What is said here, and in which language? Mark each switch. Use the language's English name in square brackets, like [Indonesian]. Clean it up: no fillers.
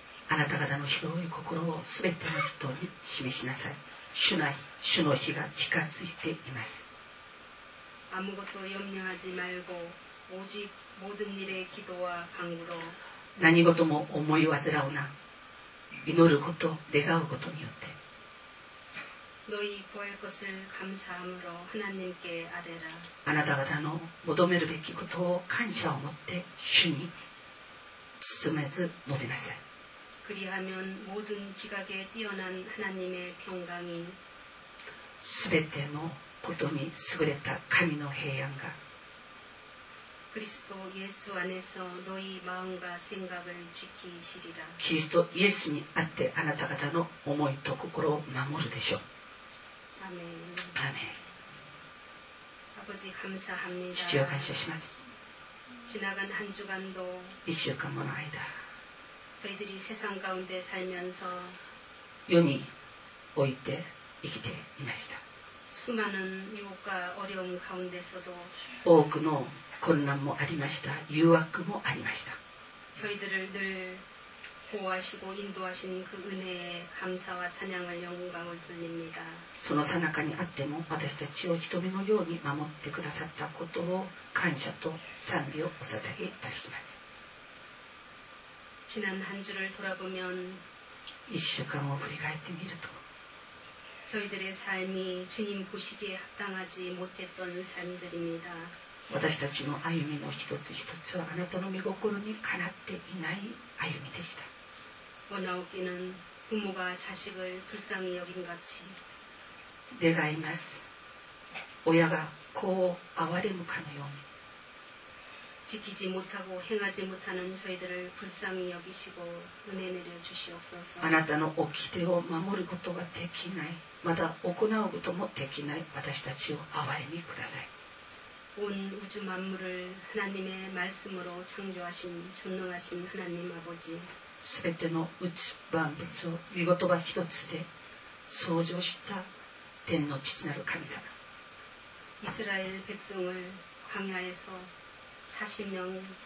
[Japanese] あなた方の広い心を全ての人に示しなさい。主の日が近づいています。 [Korean] 아무것도염려하지말고오직모든일에기도와간구로 [Japanese] 何事も思い煩うな。祈ること、願うことによって。 [Korean] 너희구할것을감사함으로하나님께아뢰라。 [Japanese] あなた方の求めるべきことを感謝を持って主に包めず述べなさい。 [Korean] 그리하면모든지각에뛰어난하나님의평강이 [Japanese] すべてのことに優れた神の平安が [Korean] 그리스도예수안에서너희마음과생각을지키시리라 [Japanese] キリストイエスにあってあなた方の思いと心を守るでしょう。 [Korean] 아멘 아멘 아버지감사합니다 [Japanese] 父を感謝します。 [Korean] 지나간한주간도 [Japanese] 一週間もの間 [Korean] 저희들이세상가운데살면서 [Japanese] 世において生きていました。 [Korean] 수많은유혹과어려움가운데서도 [Japanese] 多くの困難もありました。誘惑もありました。 [Korean] 저희들을늘보호하시고인도하신그은혜에감사와찬양을영광을돌립니다 [Japanese] そのさなかにあっても私たちを瞳のように守ってくださったことを感謝と賛美をお捧げいたします。 [Korean] 지난한주를돌아보면 [Japanese] 一週間を振り返ってみると [Korean] 저희들의삶이주님보시기에합당하지못했던삶들입니다 [Japanese] 私たちの歩みの一つ一つはあなたの御心にかなっていない歩みでした。 [Korean] 원하옵기는부모가자식을불쌍히여긴같이 내가います。 [Japanese] 親が子を憐れむかのように [Korean] 지키지못하고행하지못하는저희들을불쌍히여기시고은혜내려주시옵소서 [Japanese] あなたの掟を守ることができない、まだ行うこともできない私たちを憐れみください。 [Korean] 온우주만물을하나님의말씀으로창조하신전능하신하나님아버지 [Japanese] すべての宇宙万物を御言葉一つで創造した天の父なる神様 [Korean] 이스라엘백성을광야에서40년간을